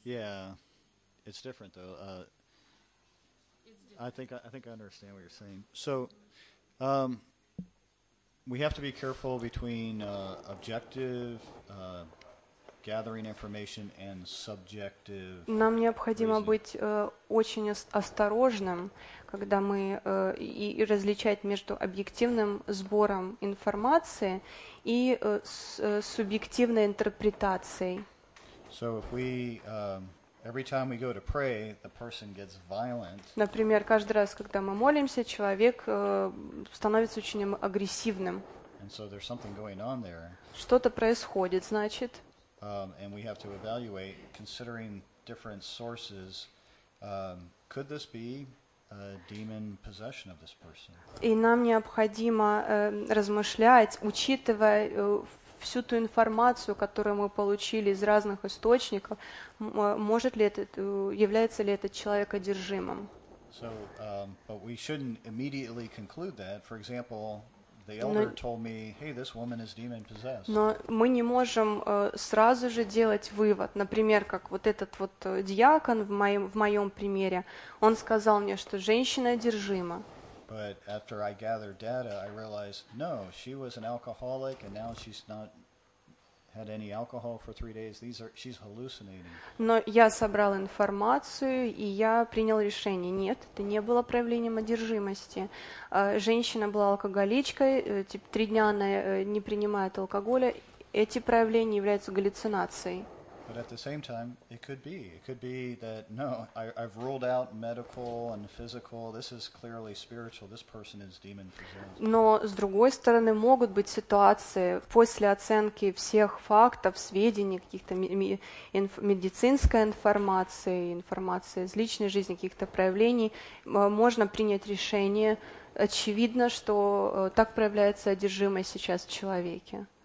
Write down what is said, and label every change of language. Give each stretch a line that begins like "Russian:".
English: Yeah, it's different though. It's different. I think I understand what you're saying. So, we have to be careful between objective gathering information and subjective.
Russian: Нам необходимо быть очень осторожным, когда мы и различать между объективным сбором информации и субъективной интерпретацией.
English: So if we every time we go to pray, the person gets violent.
Russian: Например, каждый раз, когда мы молимся, человек становится очень агрессивным.
English: And so there's something going on there.
Russian: Что-то происходит, значит.
English: And we have to evaluate, considering different sources, could this be a demon possession of this person?
Russian: И нам необходимо размышлять, учитывая всю ту информацию, которую мы получили из разных источников, может ли этот, является ли этот человек одержимым?
English: So, but we shouldn't immediately conclude that. For example, the elder told me, "Hey, this woman is demon possessed."
Russian: Но мы не можем сразу же делать вывод. Например, как вот этот вот диакон в моем примере, он сказал мне, что женщина одержима.
English: But after I gathered data, I realized, no, she was an alcoholic, and now she's not had any alcohol for 3 days. She's hallucinating.
Russian: Но я собрал информацию, и я принял решение. Нет, это не было проявлением одержимости. Женщина была алкоголичкой, типа 3 дня она не принимает алкоголя. Эти проявления являются галлюцинацией.
English: But at the same time, it could be. It could be that, no, I've ruled out medical and physical. This is clearly spiritual. This person is demon-possessed.
Russian: Но, с другой стороны, могут быть ситуации после оценки всех фактов, сведений, каких-то медицинской информации, информации из личной жизни, каких-то проявлений, можно принять решение. Очевидно, что так проявляется одержимость сейчас в человеке.